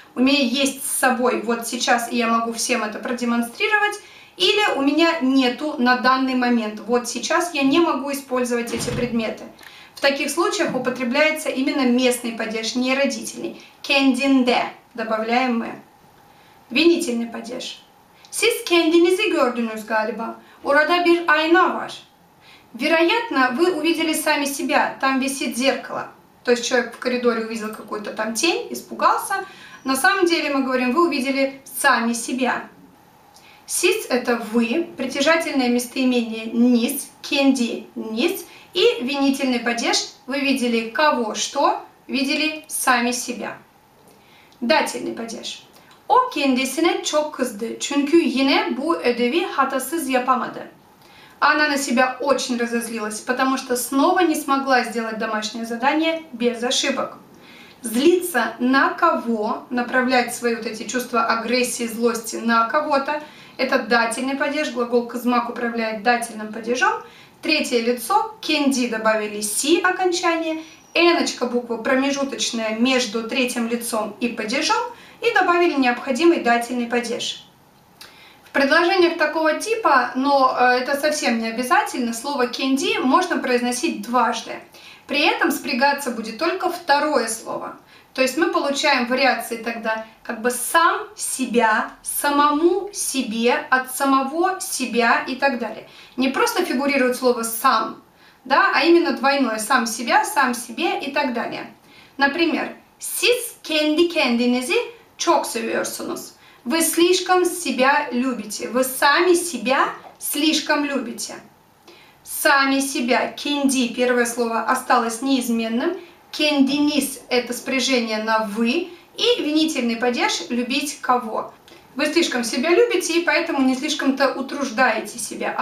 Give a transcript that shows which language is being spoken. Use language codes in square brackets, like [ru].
[ru] У меня есть с собой вот сейчас, и я могу всем это продемонстрировать, или у меня нету на данный момент, вот сейчас я не могу использовать эти предметы. В таких случаях употребляется именно местный падеж, не родительный. [tr] Kendinde [ru] добавляем мы. Винительный падеж. [tr] Siz kendinizi gördünüz galiba. Orada bir ayna var. [ru] Вероятно, вы увидели сами себя. Там висит зеркало. То есть человек в коридоре увидел какую-то там тень, испугался. На самом деле мы говорим, вы увидели сами себя. [tr] Siz [ru] – это вы. Притяжательное местоимение «niz», «kendi», «niz». И винительный падеж. Вы видели кого, что. Видели сами себя. Дательный падеж. [tr] O kendisine çok kızdı, çünkü yine bu ödevi hatasız yapamadı. [ru] Она на себя очень разозлилась, потому что снова не смогла сделать домашнее задание без ошибок. Злиться на кого, направлять свои вот эти чувства агрессии, злости на кого-то, это дательный падеж, глагол kızmak управляет дательным падежом. Третье лицо, kendi добавили си окончание, эночка буква промежуточная между третьим лицом и падежом, и добавили необходимый дательный падеж. В предложениях такого типа, но это совсем не обязательно, слово «кенди» можно произносить дважды. При этом спрягаться будет только второе слово. То есть мы получаем вариации тогда как бы сам себя, самому себе, от самого себя и так далее. Не просто фигурирует слово сам, да, а именно двойное сам себя, сам себе и так далее. Например, [tr] siz kendi kendinizi çok seviyorsunuz. [ru] Вы слишком себя любите. Вы сами себя слишком любите. Сами себя. Kendi, первое слово, осталось неизменным. Kendiniz – это спряжение на «вы». И винительный падеж – «любить кого». Вы слишком себя любите, и поэтому не слишком-то утруждаете себя.